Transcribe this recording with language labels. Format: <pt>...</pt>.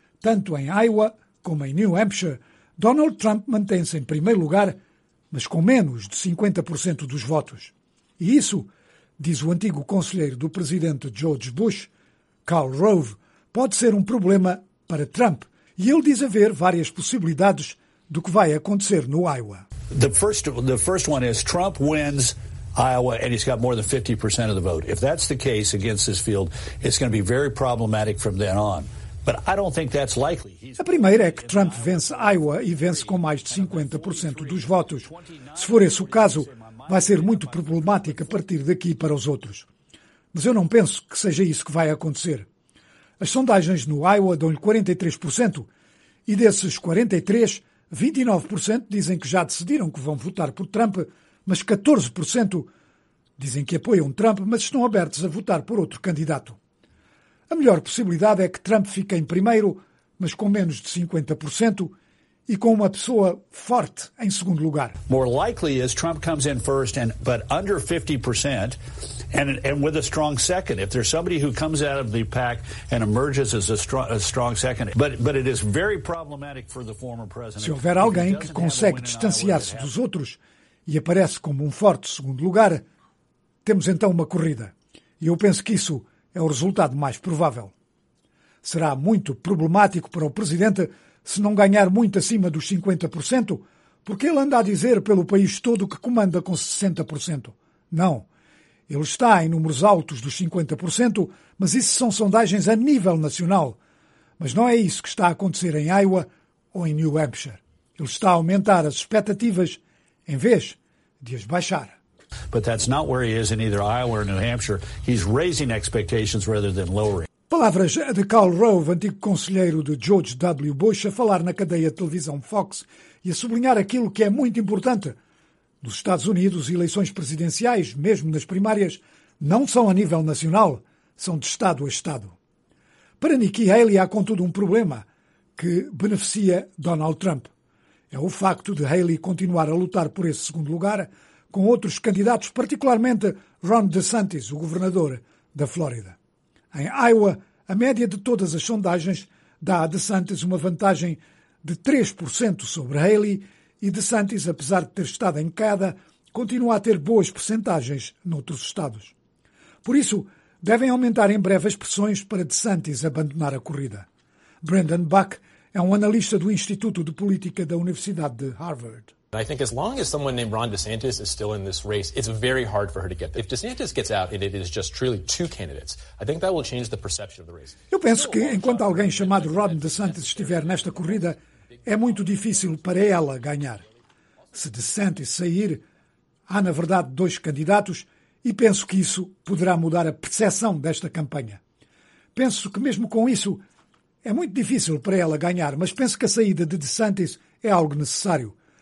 <pt>Tanto em Iowa como em New Hampshire, Donald Trump mantém-se em primeiro lugar, mas com menos de 50% dos votos. E isso, diz o antigo conselheiro do presidente George Bush, Karl Rove, pode ser um problema para Trump. E ele diz haver várias possibilidades do que vai acontecer no Iowa.</pt> <en>The first one is Trump wins Iowa and he's got more than 50% of the vote. If that's the case against this field, it's going to be very problematic from then on. But I don't think that's likely.</en> <pt>A primeira é que Trump vence Iowa e vence com mais de 50% dos votos. Se for esse o caso, vai ser muito problemático a partir daqui para os outros. Mas eu não penso que seja isso que vai acontecer. As sondagens no Iowa dão-lhe 43% e desses 43%, 29% dizem que já decidiram que vão votar por Trump, mas 14% dizem que apoiam Trump, mas estão abertos a votar por outro candidato. A melhor possibilidade é que Trump fique em primeiro, mas com menos de 50% e com uma pessoa forte em segundo lugar.</pt> <en>More likely is Trump comes in first and but under 50% and with a strong second. If there's somebody who comes out of the pack and emerges as a strong second, but it is very problematic for the former president.</en> <pt>Se houver alguém que consegue distanciar-se dos outros e aparece como um forte segundo lugar, temos então uma corrida. E eu penso que isso é o resultado mais provável. Será muito problemático para o presidente se não ganhar muito acima dos 50%, porque ele anda a dizer pelo país todo que comanda com 60%. Não. Ele está em números altos dos 50%, mas isso são sondagens a nível nacional. Mas não é isso que está a acontecer em Iowa ou em New Hampshire. Ele está a aumentar as expectativas em vez de as baixar.</pt> <en>But that's not where he is in either Iowa or New Hampshire. He's raising expectations rather than lowering.</en> <pt>Palavras de Karl Rove, antigo conselheiro de George W. Bush, a falar na cadeia de televisão Fox e a sublinhar aquilo que é muito importante. Nos Estados Unidos, eleições presidenciais, mesmo nas primárias, não são a nível nacional, são de Estado a Estado. Para Nikki Haley há, contudo, um problema que beneficia Donald Trump. É o facto de Haley continuar a lutar por esse segundo lugar com outros candidatos, particularmente Ron DeSantis, o governador da Flórida. Em Iowa, a média de todas as sondagens dá a DeSantis uma vantagem de 3% sobre Haley e DeSantis, apesar de ter estado em queda, continua a ter boas percentagens noutros estados. Por isso, devem aumentar em breve as pressões para DeSantis abandonar a corrida. Brandon Buck é um analista do Instituto de Política da Universidade de Harvard.</pt> <en>I think as long as someone named Ron DeSantis is still in this race, it's very hard for her to get there. If DeSantis gets out and it is just truly two candidates, I think that will change the perception of the race.</en> <pt>Eu penso que enquanto alguém chamado Ron DeSantis estiver nesta corrida, é muito difícil para ela ganhar. Se DeSantis sair, há na verdade dois candidatos e penso que isso poderá mudar a percepção desta campanha. Penso que mesmo com isso, é muito difícil para ela ganhar, mas penso que a saída de DeSantis é algo necessário.</pt>